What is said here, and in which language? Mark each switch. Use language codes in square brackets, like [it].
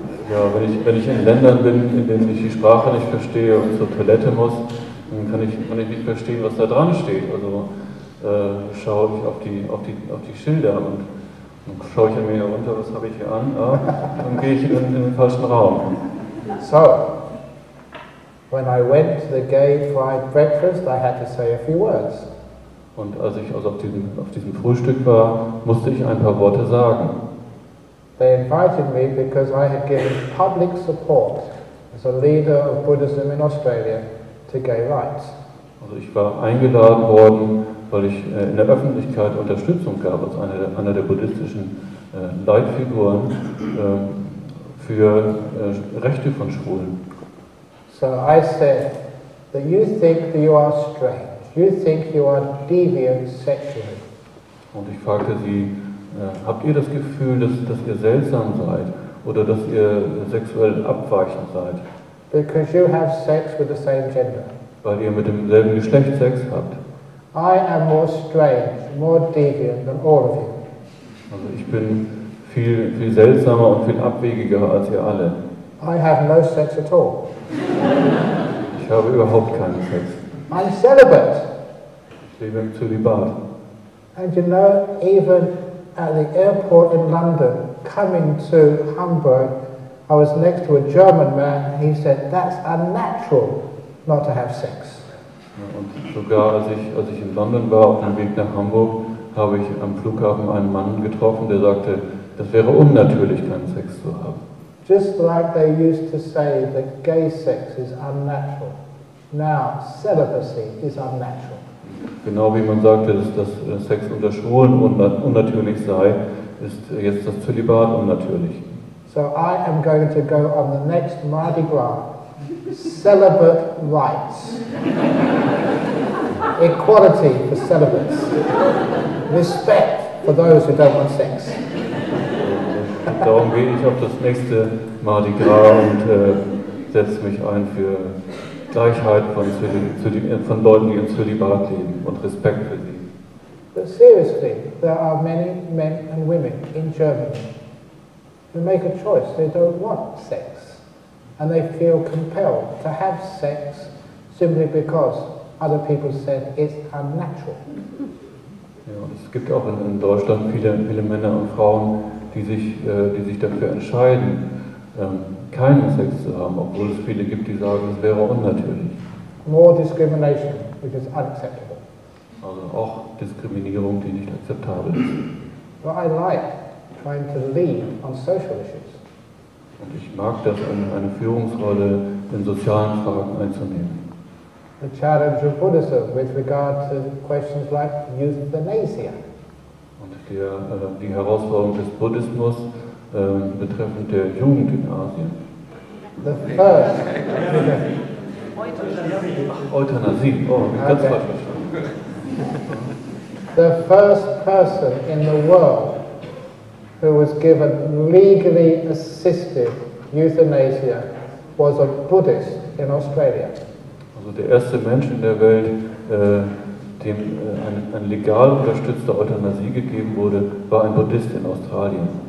[de] Ja, wenn ich in Ländern bin, in denen ich die Sprache nicht verstehe und zur Toilette muss, dann kann ich nicht verstehen, was da dran steht. Also schaue ich auf die Schilder und dann schaue ich an mir herunter, was habe ich hier an, ja, dann gehe ich in den falschen Raum. [en] So, when I went to the gay fried breakfast, I had to say a few words. [de] Und als ich also auf diesem Frühstück war, musste ich ein paar Worte sagen. [en] They invited me because I had given public support as a leader of Buddhism in Australia to gay rights. [de] Also ich war eingeladen worden, weil ich in der Öffentlichkeit Unterstützung gab als einer der buddhistischen Leitfiguren für Rechte von Schwulen. [en] So I said that you think that you are strange. You think you are deviant sexually. [de] Und ich fragte sie: Habt ihr das Gefühl, dass ihr seltsam seid oder dass ihr sexuell abweichend seid? [en] Because you have sex with the same gender. [de] Weil ihr mit demselben Geschlecht Sex habt. [en] I am more strange, more deviant than all of you. [de] Also ich bin viel, viel seltsamer und viel abwegiger als ihr alle. [en] I have no sex at all. [de] Ich habe überhaupt keinen Sex. [en] I'm celibate. [de] Ich lebe im Zölibat. [en] And you know, even at the airport in London, coming to Hamburg, I was next to a German man, and he said, that's unnatural not to have sex. [de] Und sogar als ich in London war, auf dem Weg nach Hamburg, habe ich am Flughafen einen Mann getroffen, der sagte, das wäre unnatürlich, keinen Sex zu haben. [en] Just like they used to say that gay sex is unnatural, now celibacy is unnatural. [de] Genau wie man sagte, dass Sex unter Schwulen unnatürlich sei, ist jetzt das Zölibat unnatürlich. [en] So I am going to go on the next Mardi Gras. Celibate rights. Equality for celibates. Respect for those who don't want sex. [de] Darum gehe ich auf das nächste Mardi Gras und setze mich ein für Gleichheit von Leuten, die im Zölibat leben, und Respekt für sie. [en] But seriously, there are many men and women in Germany who make a choice. They don't want sex, and they feel compelled to have sex simply because other people said it's unnatural. [de] Ja, und es gibt auch in Deutschland viele Männer und Frauen, die sich dafür entscheiden, keinen Sex zu haben, obwohl es viele gibt, die sagen, es wäre unnatürlich. [en] More discrimination, which is unacceptable. [de] Also auch Diskriminierung, die nicht akzeptabel ist. [en] But I like trying to lead on social issues. [de] Und ich mag das, eine Führungsrolle in sozialen Fragen einzunehmen. [en] The challenge of Buddhism with regard to questions like euthanasia. [de] Und die Herausforderung des Buddhismus betreffend der Jugend in Asien. [en] The first. [de] Euthanasie. Oh, ganz falsch verstanden. [en] The first person in the world who was given legally assisted euthanasia was a Buddhist in Australia. [de] Also der erste Mensch in der Welt, dem ein legal unterstützter Euthanasie gegeben wurde, war ein Buddhist in Australien.